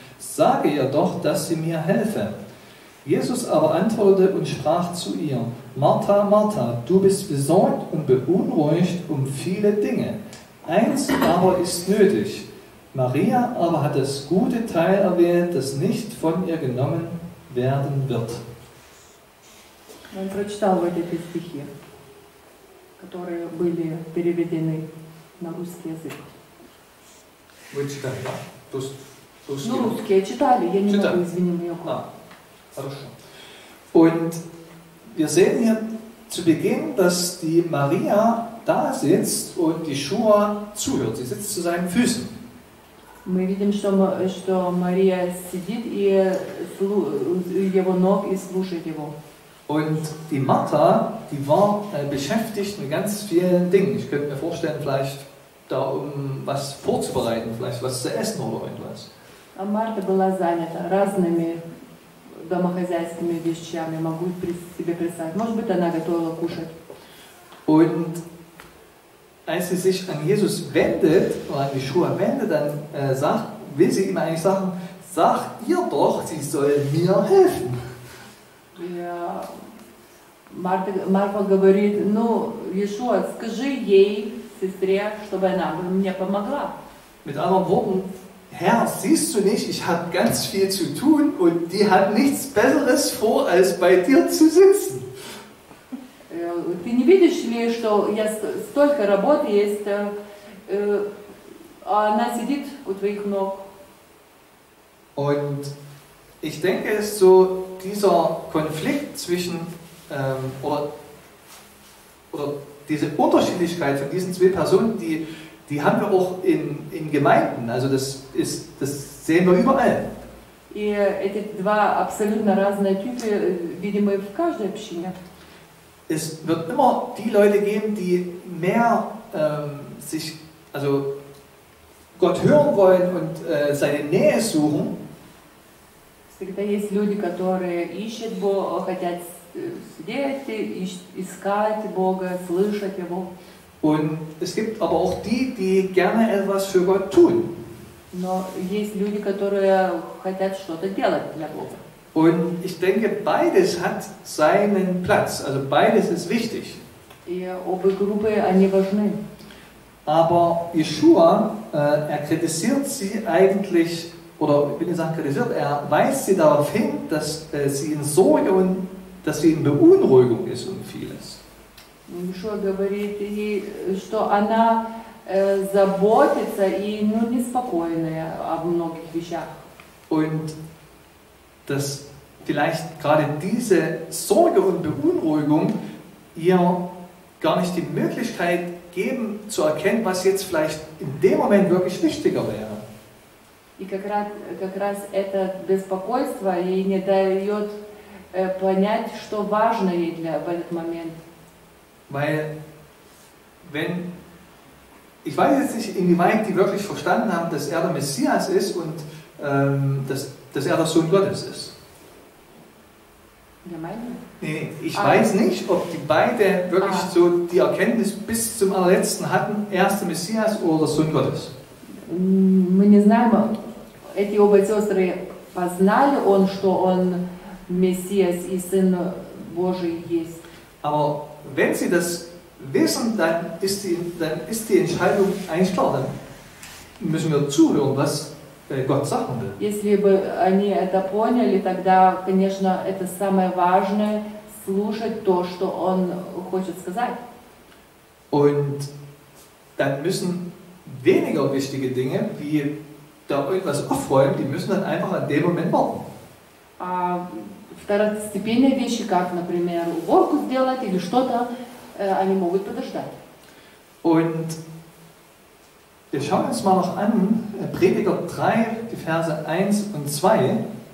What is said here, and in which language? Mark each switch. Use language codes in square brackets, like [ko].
[de] Sage ihr doch, dass sie mir helfe. Jesus aber antwortete und sprach zu ihr: Martha, Martha, du bist besorgt und beunruhigt um viele Dinge. Eins aber ist nötig. Maria aber hat das gute Teil erwählt, das nicht von ihr genommen werden wird. [ru] Он прочитал вот эти стихи, которые были переведены на русский язык. Вы читали, да? Ну, русские читали, я не читали. Могу, извини, мне около. Хорошо. [de] Und wir sehen hier zu Beginn, dass die Maria da sitzt und die Schua zuhört. Sie sitzt zu seinen Füßen. [ru] Мы видим, что Мария сидит и его ног и слушает его. [de] Und die Martha, die war beschäftigt mit ganz vielen Dingen. Ich könnte mir vorstellen, vielleicht da um was vorzubereiten, vielleicht was zu essen oder irgendwas. [ru] А Марта была занята разными домохозяйственными вещами, могу себе представить. Может быть, она готовила кушать. [de] Und als sie sich an Jesus wendet, oder an Yeshua wendet, dann sagt, will sie ihm eigentlich sagen, sag ihr doch, sie soll mir helfen. [ru] Марфа говорит, ну, Йешуа, скажи ей, сестре, чтобы она мне помогла. [de] Mit anderen Worten, Herr, siehst du nicht, ich habe ganz viel zu tun und die hat nichts Besseres vor, als bei dir zu sitzen. [ru] Ты не видишь ли, что я столько работы есть, а она сидит у твоих ног? [de] Und ich denke, es ist so, dieser Konflikt zwischen, oder diese Unterschiedlichkeit von diesen zwei Personen, die haben wir auch in Gemeinden, also das sehen wir überall. Und diese zwei absolut verschiedene Typen, sehen wir in jeder Gemeinde. Es wird immer die Leute geben, die mehr sich, also Gott hören wollen und seine Nähe suchen. [ru] Всегда есть люди, которые ищут Бога, хотят сидеть, искать Бога, слышать Его. [de] Und es gibt aber auch die gerne etwas für Gott tun. [ru] Но есть люди, которые хотят что-то делать для Бога. [de] Und ich denke, beides hat seinen Platz. Also beides ist wichtig. [ru] И обе группы, они важны. [de] Aber Yeshua, er kritisiert sie eigentlich, oder ich bin jetzt kritisiert, er weist sie darauf hin, dass sie in Sorge und dass sie in Beunruhigung ist und vieles. [ru] Yeshua говорит ей, что она заботится и неспокойная об многих вещах. [de] Und dass vielleicht gerade diese Sorge und Beunruhigung ihr gar nicht die Möglichkeit geben, zu erkennen, was jetzt vielleicht in dem Moment wirklich wichtiger wäre. [ru] И как раз это беспокойство ей не дает понять, что важно ей для в этот момент. [de] Weil, wenn, ich weiß jetzt nicht, inwieweit die wirklich verstanden haben, dass der Messias ist und dass der Sohn Gottes ist. Weiß nicht, ob die beide wirklich so die Erkenntnis bis zum allerletzten hatten, erster Messias oder Sohn Gottes. [ru] Мы не знаем. Эти оба сестры познали он, что он Мессиас и Сын Божий есть. [de] Aber wenn sie das wissen, dann ist die Entscheidung eigentlich klar. Dann müssen wir zuhören, was Gott sagen will. [ru] Если бы они это поняли, тогда, конечно, это самое важное – слушать то, что он хочет сказать. [de] Und dann müssen weniger wichtige Dinge wie da irgendwas aufräumen, die müssen dann einfach an dem Moment warten. [ru] Второстепенные вещи, как, например, уборку сделать или что-то, они могут подождать. [de] Und wir schauen uns mal noch an, Prediger 3, die Verse 1 und 2.